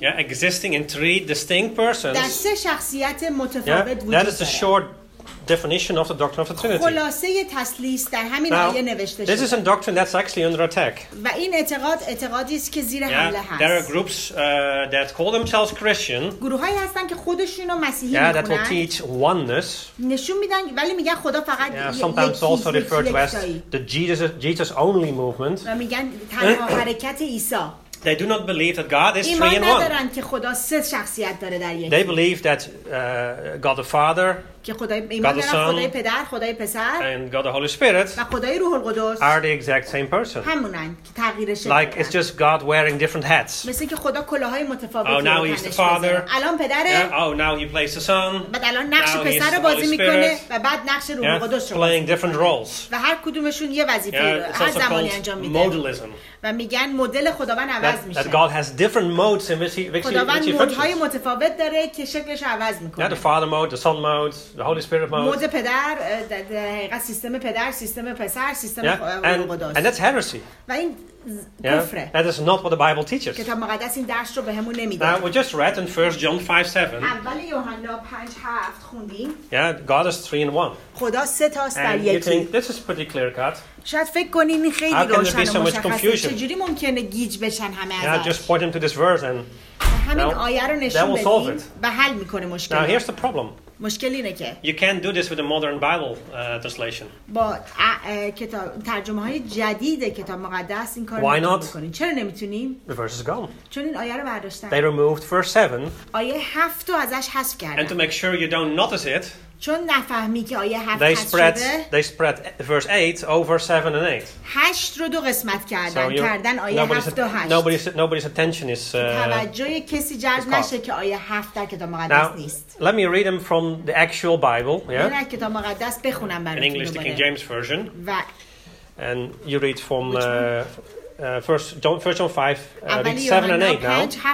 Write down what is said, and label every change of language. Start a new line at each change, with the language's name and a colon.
English: Yeah, existing in three distinct persons.
Persian: در سه شخصیت متفاوت.
English: Yeah, that is a short definition of the doctrine of the Trinity.
Persian: خلاصه تثلیث در همین آیه نوشته شده.
English: This is a doctrine that's actually under attack.
Persian: و این اعتقاد اعتقادی است که زیر حمله هست.
English: There are groups that call themselves Christian.
Persian: گروهایی هستن که خودشونو مسیحی میخونن.
English: Yeah, that will teach oneness.
Persian: نشون میدن ولی میگن خدا فقط یکی.
English: Yeah, sometimes also referred to as the Jesus only movement.
Persian: و میگن تنها حرکت عیسی.
English: They do not believe that God is three in one.
Persian: ایمان ندارن که خدا سه شخصیت داره در یک.
English: They believe that God the Father, God the Son,
Persian: خدای پدر، خدای پسر
English: and God the Holy Spirit
Persian: و خدای روح القدس
English: are the exact same person.
Persian: همونن که تغییر شکل.
English: Like it's just God wearing different hats.
Persian: مثل که خدا کلاهای متفاوتی داره.
English: Oh, now he's the Father.
Persian: الان پدره.
English: Oh, now he plays the Son.
Persian: بعد الان نقش پسر رو بازی میکنه و بعد نقش روح القدس رو.
English: Playing different roles.
Persian: و هر کدومشون یه وظیفه رو هر زمانی انجام میده.
English: Modalism.
Persian: و میگن مدل خداوند عوض میشه.
English: That God has different modes in which he functions.
Persian: خداوند مدهای متفاوت داره که شکلش عوض میکنه.
English: Yeah, the Father mode, the Son mode, the Holy Spirit mode.
Persian: مود پدر، حقیقت سیستم پدر، سیستم پسر، سیستم خداست.
English: And that's heresy.
Persian: و این
English: Yeah, that is not what the Bible teaches.
Persian: کتاب مقدس این درس رو بهمون نمیده.
English: Now, we just read in 1 John 5:7.
Persian: اول یوحنا 5:7 خوندیم.
English: Yeah, God is three in one.
Persian: خدا سه تاست در یکی.
English: And you think this is pretty clear cut.
Persian: شاید فکر کنین این خیلی روشن و مشخصه.
English: How can there be so much confusion?
Persian: چجوری ممکنه گیج بشن همه ازش.
English: Yeah, just point them to this verse and
Persian: همین آیه رو نشون بدین و حل میکنه مشکل.
English: Now, here's the problem.
Persian: مشکل اینه که
English: you can't do this with a modern Bible translation.
Persian: با کتاب ترجمه های جدید کتاب مقدس این کار رو نمیتونیم. چرا نمیتونیم؟
English: The verse is gone.
Persian: چون این آیه رو برداشتن.
English: They removed verse 7.
Persian: آیه 7 رو ازش حذف کردن.
English: And to make sure you don't notice it.
Persian: چون نفهمی که آیه 7 حذف شده.
English: They spread verse 8 over 7 and 8.
Persian: 8 رو دو قسمت کردن. کردن آیه 7 و 8.
English: Nobody's attention is
Persian: توجه کسی جلب نشه که آیه 7 در کتاب مقدس نیست.
English: Let me read them from the actual Bible, yeah?
Persian: من از کتاب مقدس بخونم براتون.
English: In English, the King James version.
Persian: و
English: and you read from first John 5, 7 and 8 now.